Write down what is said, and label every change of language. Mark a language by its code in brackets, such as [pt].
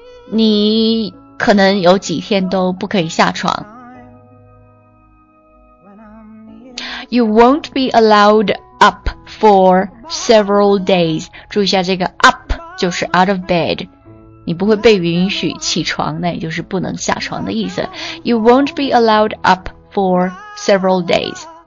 [zh] 你可能有几天都不可以下床。 [en] You won't be allowed up for several days. [zh] 注意一下这个 up 就是 out of bed。你不会被允许起床，那也就是不能下床的意思。 [en] You won't be allowed up for several days.